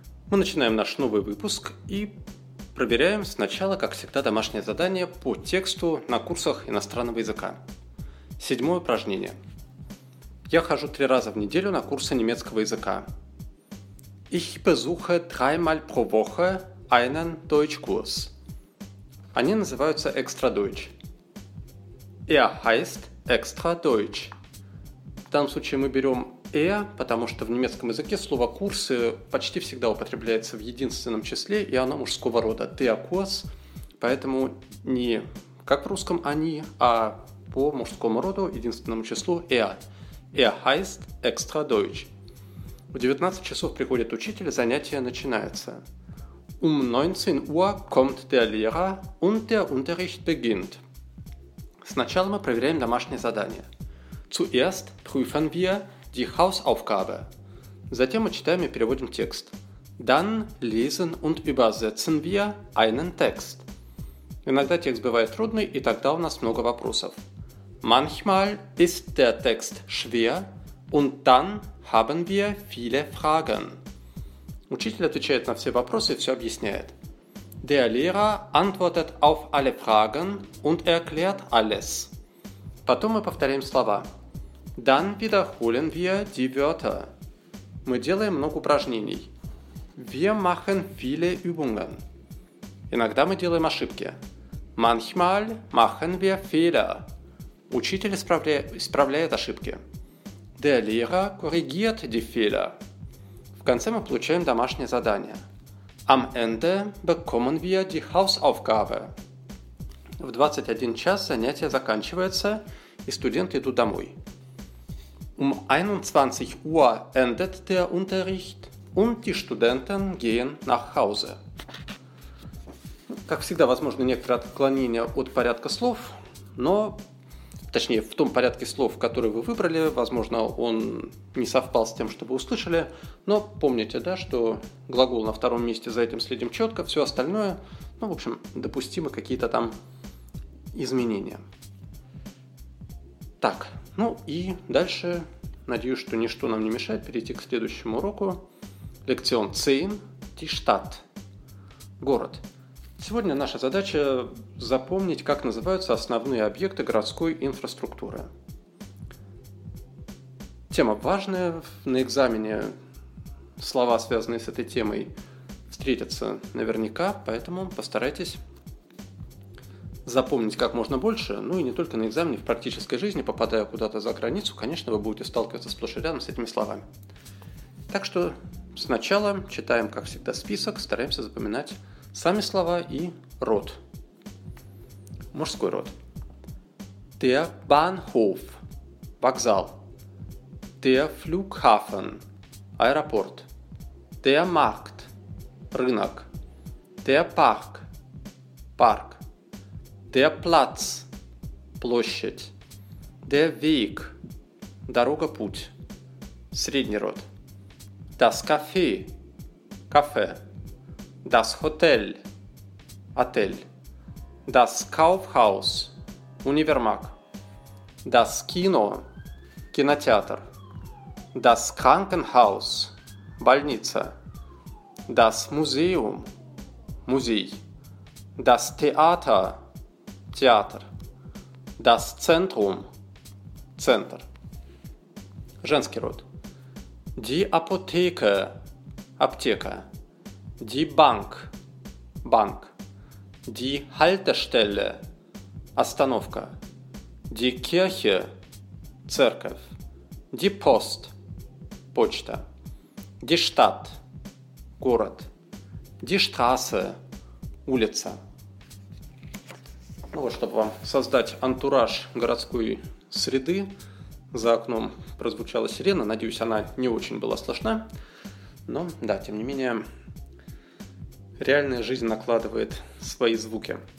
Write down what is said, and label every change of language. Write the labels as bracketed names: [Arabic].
[Russian] Мы начинаем наш новый выпуск и проверяем сначала, как всегда, домашнее задание по тексту на курсах иностранного языка. Седьмое упражнение. Я хожу 3 раза в неделю на курсы немецкого языка. [German] Ich besuche 3-mal pro Woche einen Deutschkurs. [Russian] Они называются Extra Deutsch. [German] Er heißt Extra Deutsch. [Russian] В данном случае мы берем er, потому что в немецком языке слово «курсы» почти всегда употребляется в единственном числе, и оно мужского рода «der Kurs», поэтому не как в русском «они», а по мужскому роду, единственному числу «er». [German] Er heißt Extra Deutsch. [Russian] В 19 часов приходит учитель, занятие начинается. [German] Um 19 Uhr kommt der Lehrer und der Unterricht beginnt. [Russian] Сначала мы проверяем домашнее задание. [German] Zuerst prüfen wir die Hausaufgabe. [Russian] Затем мы читаем и переводим текст. [German] Dann lesen und übersetzen wir einen Text. [Russian] Иногда текст бывает трудный, и тогда у нас много вопросов. [German] Manchmal ist der Text schwer und dann haben wir viele Fragen. [Russian] Учитель отвечает на все вопросы и все объясняет. [German] Der Lehrer antwortet auf alle Fragen und erklärt alles. [Russian] Потом мы повторяем слова. [German] Dann wiederholen wir die Wörter. [Russian] Мы делаем много упражнений. [German] Wir machen viele Übungen. [Russian] Иногда мы делаем ошибки. [German] Manchmal machen wir Fehler. [Russian] Учитель исправляет ошибки. [German] Der Lehrer korrigiert die Fehler. [Russian] В конце мы получаем домашнее задание. [German] Am Ende bekommen wir die Hausaufgabe. [Russian] В 21 час занятие заканчивается, и студенты идут домой. [German] Um 21 Uhr endet der Unterricht und die Studenten gehen nach Hause. [Russian] Как всегда, возможно, некоторые отклонения от порядка слов, но, точнее, в том порядке слов, который вы выбрали, возможно, он не совпал с тем, что вы услышали, но помните, да, что глагол на втором месте, за этим следим четко, все остальное, ну, в общем, допустимы какие-то там изменения. Так, ну и дальше, надеюсь, что ничто нам не мешает перейти к следующему уроку. [German] Lektion 10, die Stadt, город. [Russian] Сегодня наша задача запомнить, как называются основные объекты городской инфраструктуры. Тема важная, на экзамене слова, связанные с этой темой, встретятся наверняка, поэтому постарайтесь запомнить как можно больше, ну и не только на экзамене, в практической жизни, попадая куда-то за границу, конечно, вы будете сталкиваться сплошь и рядом с этими словами. Так что сначала читаем, как всегда, список, стараемся запоминать сами слова и род. Мужской род. [German] Der Bahnhof – вокзал. Der Flughafen – аэропорт. Der Markt – рынок. Der Park – парк. Der Platz – площадь. Der Weg – дорога, путь. [Russian] Средний род. [German] Das Café – кафе. Das Hotel – отель. Das Kaufhaus – универмаг. Das Kino – кинотеатр. Das Krankenhaus – больница. Das Museum – музей. Das Theater – театр. Das Zentrum – центр. [Russian] Женский род. [German] Die Apotheke – аптека. Die Bank – банк. Die Haltestelle – остановка. Die Kirche – церковь. Die Post – почта. Die Stadt – город. Die Straße – улица. [Russian] Ну вот, чтобы вам создать антураж городской среды, за окном прозвучала сирена. Надеюсь, она не очень была слышна. Но, да, тем не менее, реальная жизнь накладывает свои звуки.